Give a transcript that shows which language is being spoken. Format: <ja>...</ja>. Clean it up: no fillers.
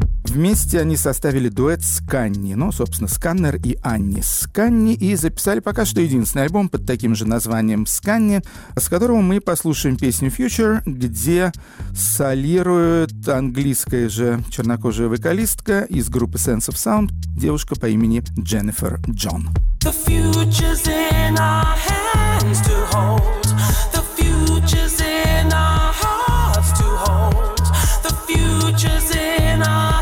<ru>Вместе они составили дуэт «Сканни», ну, собственно, «Сканнер» и «Анни Сканни», и записали пока что единственный альбом под таким же названием «Сканни», с которого мы послушаем песню «Future», где солирует английская же чернокожая вокалистка из группы «Sense of Sound», девушка по имени Дженнифер Джон.</ru> <en>The future's in our hands to hold. The future's in our hearts to hold. The future's in our</en>